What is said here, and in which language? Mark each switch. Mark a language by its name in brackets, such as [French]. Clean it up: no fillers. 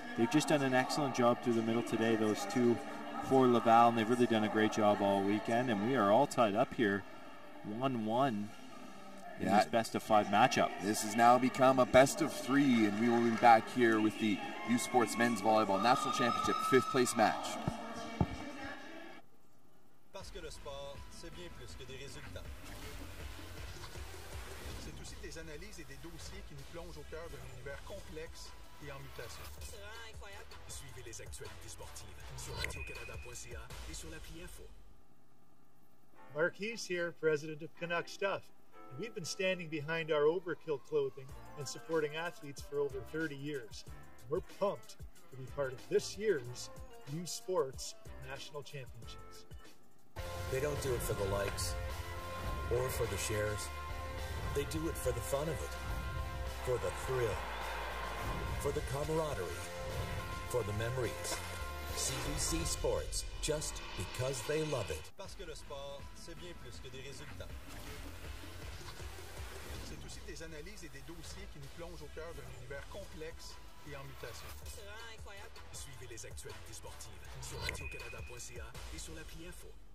[English] They've just done an excellent job through the middle today, those two for Laval, and they've really done a great job all weekend, and we are all tied up here 1-1 in this best of five matchup. This has now become a best of three, and we will be back here with the U Sports Men's Volleyball National Championship fifth place match. [French] Parce que le sport, c'est bien plus que des résultats. C'est aussi des analyses et des dossiers qui nous plongent au cœur d'un univers complexe et en mutation. Suivez les actualités sportives sur radiocanada.ca et sur l'appli Info. [English] Mark Hees here, president of Canuck Stuff. And we've been standing behind our Overkill clothing and supporting athletes for over 30 years. And we're pumped to be part of this year's U Sports National Championships. They don't do it for the likes or for the shares. They do it for the fun of it, for the thrill, for the camaraderie, for the memories. CBC Sports, just because they love it. [French] Parce que le sport, c'est bien plus que des résultats. C'est aussi des analyses et des dossiers qui nous plongent au cœur d'un univers complexe et en mutation. C'est vraiment incroyable. Suivez les actualités sportives sur radiocanada.ca et sur l'appli Info.